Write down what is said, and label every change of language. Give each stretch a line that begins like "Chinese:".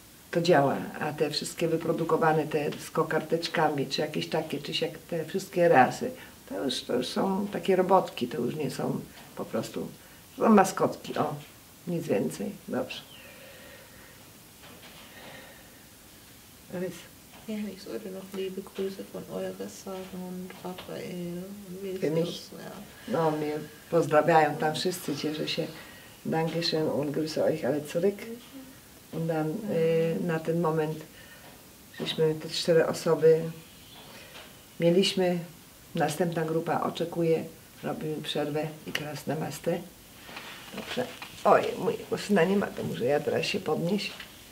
Polish: To działa, a te wszystkie wyprodukowane te z kokardeczkami, czy jakieś takie, czy jak te wszystkie rasy, to już są takie robotki, to już nie są po prostu, są maskotki, o, nic więcej, dobrze.
German: Ja, ich sollte noch liebe Grüße von Euris sagen und Rafael. Für mich?
Polish: No, mir pozdrawiają tam wszyscy, cieszę się.
German: Dankeschön und grüße euch alle zurück. Und dann
Polish: na ten moment, żeśmy te cztery osoby mieliśmy, następna grupa oczekuje, robimy przerwę i teraz namaste. Dobrze. Oj, mój syna nie ma, to muszę ja teraz się podnieść.